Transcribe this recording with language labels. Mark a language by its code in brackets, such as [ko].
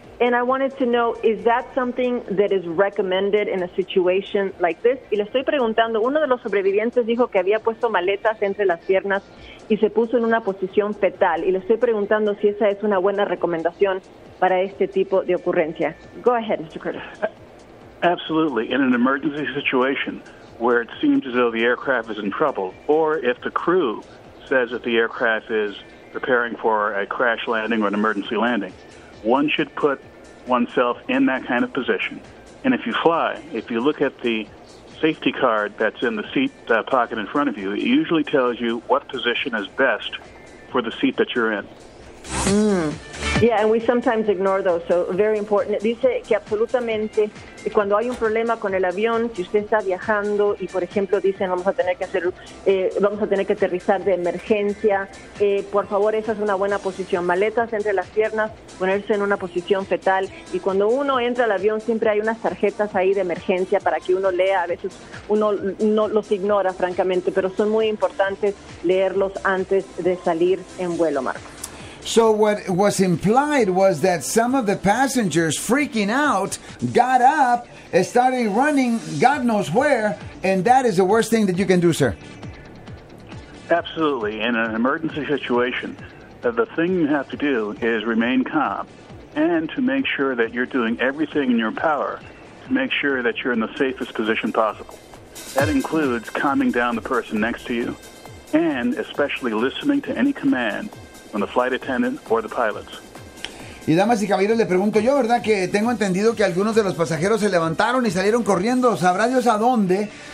[en] And I wanted to know, is that something that is recommended in a situation like this? [es] Y le estoy preguntando, uno de los sobrevivientes dijo que había puesto maletas entre las piernas y se puso en una posición fetal. Y le estoy preguntando si esa es una buena recomendación para este tipo de ocurrencia. [en] Go ahead, Mr. Curtis. Absolutely. In an emergency situation where it seems as though the aircraft is in trouble, or if the crew says that the aircraft is preparing for a crash landing or an emergency landing, one should put oneself in that kind of position. And if you fly, if you look at the safety card that's in the seat pocket in front of you, it usually tells you what position is best for the seat that you're in. Mm. Yeah, and we sometimes ignore those, so very important. [es] Dice que absolutamente, cuando hay un problema con el avión, si usted está viajando y, por ejemplo, dicen vamos a tener que aterrizar de emergencia, por favor, esa es una buena posición. Maletas entre las piernas, ponerse en una posición fetal. Y cuando uno entra al avión, siempre hay unas tarjetas ahí de emergencia para que uno lea. A veces uno no los ignora, francamente, pero son muy importantes leerlos antes de salir en vuelo, Marco. [en] So what was implied was that some of the passengers, freaking out, got up and started running God knows where, and that is the worst thing that you can do, sir. Absolutely. In an emergency situation, the thing you have to do is remain calm and to make sure that you're doing everything in your power to make sure that you're in the safest position possible. That includes calming down the person next to you and especially listening to any command on the flight attendant or the pilots. [es] Y damas y caballeros, le pregunto yo, ¿verdad? Que tengo entendido que algunos de los pasajeros se levantaron y salieron corriendo, ¿sabrá Dios a dónde?